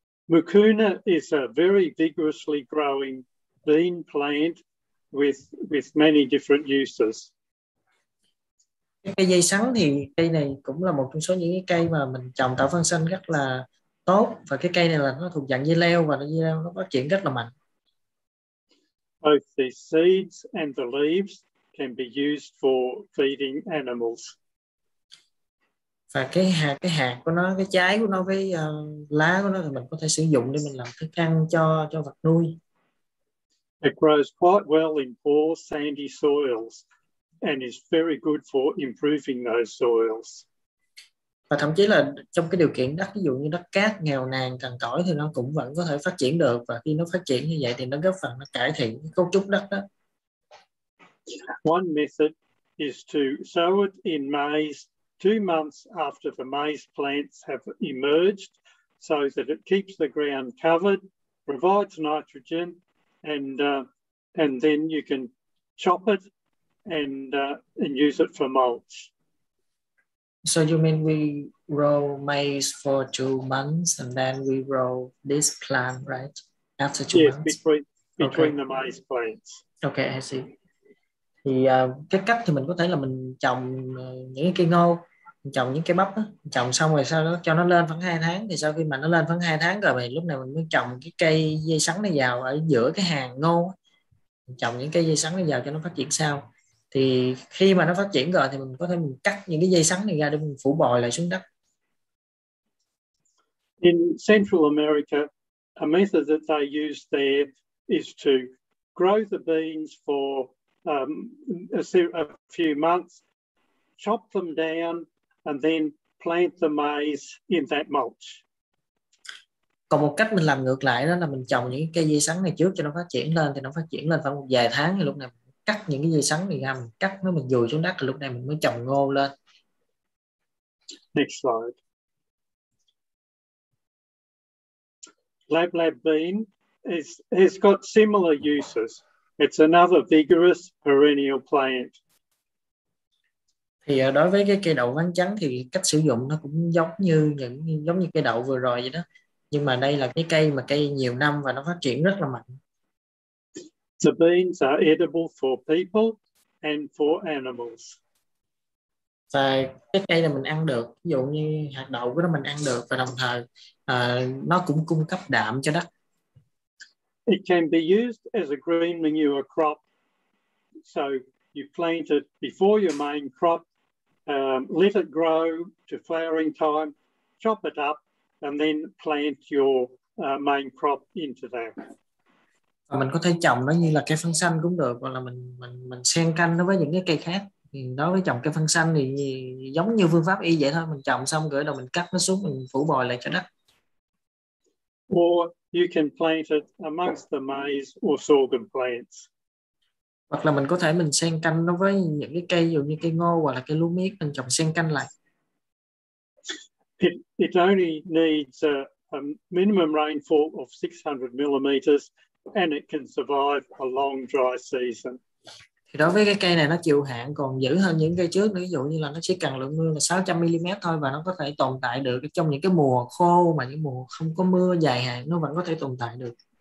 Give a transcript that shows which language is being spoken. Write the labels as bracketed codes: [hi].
[en] Mucuna is a very vigorously growing bean plant with many different uses. [vi] Cây dây sắn thì cây này cũng là một trong số những cái cây mà mình trồng tạo phân xanh rất là tốt, và cái cây này là nó thuộc dạng dây leo và dây leo nó phát triển rất là mạnh. [en] Both the seeds and the leaves can be used for feeding animals. [vi] Và cái hạt của nó, cái trái của nó với lá của nó thì mình có thể sử dụng để mình làm thức ăn cho vật nuôi. [en] It grows quite well in poor sandy soils and is very good for improving those soils. [vi] Và thậm chí là trong cái điều kiện đất, ví dụ như đất cát, nghèo nàn, cằn cỗi thì nó cũng vẫn có thể phát triển được. Và khi nó phát triển như vậy thì nó góp phần nó cải thiện cấu trúc đất đó. [en] One method is to sow it in maize 2 months after the maize plants have emerged so that it keeps the ground covered, provides nitrogen, and then you can chop it and use it for mulch. So you mean we grow maize for 2 months and then we grow this plant, right? After two months? Between the maize plants. Okay, I see. [vi] Thì cái cách thì mình có thể là mình trồng những cái cây ngô, trồng những cây bắp đó. Trồng xong rồi sau đó cho nó lên khoảng 2 tháng. Thì sau khi mà nó lên khoảng 2 tháng rồi thì lúc này mình mới trồng cái cây dây sắn này vào ở giữa cái hàng ngô. Trồng những cây dây sắn này vào cho nó phát triển sau. Thì khi mà nó phát triển rồi thì mình có thể mình cắt những cái dây sắn này ra để mình phủ bồi lại xuống đất. [en] In Central America, a method that they use there is to grow the beans for a few months, chop them down and then plant the maize in that mulch. [vi] Còn một cách mình làm ngược lại đó là mình trồng những cái dây sắn này trước cho nó phát triển lên, thì nó phát triển lên khoảng một vài tháng thì lúc này cắt những cái dây sắn này ra, mình cắt nó, mình dùi xuống đất, lúc này mình mới trồng ngô lên. [en] Next slide. Lab bean has got similar uses. It's another vigorous perennial plant. [vi] Thì đối với cái cây đậu ván trắng thì cách sử dụng nó cũng giống như cây đậu vừa rồi vậy đó. Nhưng mà đây là cái cây mà cây nhiều năm và nó phát triển rất là mạnh. [en] The beans are edible for people and for animals. [vi] Và cái cây này mình ăn được, ví dụ như hạt đậu của nó mình ăn được và đồng thời nó cũng cung cấp đạm cho đất. [en] It can be used as a green manure crop. So you plant it before your main crop, let it grow to flowering time, chop it up and then plant your main crop into that. [vi] Mình có thể trồng nó như là cây phân xanh cũng được, hoặc là mình xen canh nó với những cái cây khác. Thì đối với trồng cây phân xanh thì giống như phương pháp y vậy thôi, mình trồng xong rồi đầu mình cắt nó xuống, mình phủ bồi lại cho đất. [en] Or you can plant it amongst the maize or sorghum plants. [vi] Hoặc là mình có thể mình xen canh nó với những cái cây, ví dụ như cây ngô hoặc là cây lúa miết, mình trồng xen canh lại. [en] It only needs a minimum rainfall of 600 millimeters. And it can survive a long dry season. [vi] Thì đối với cái cây này nó chịu hạn còn dữ hơn những cây trước, ví dụ như là nó chỉ cần lượng mưa là 600 mm thôi và nó có thể tồn tại được trong những cái mùa khô mà những mùa không có mưa dài hạn nó vẫn có thể tồn tại được.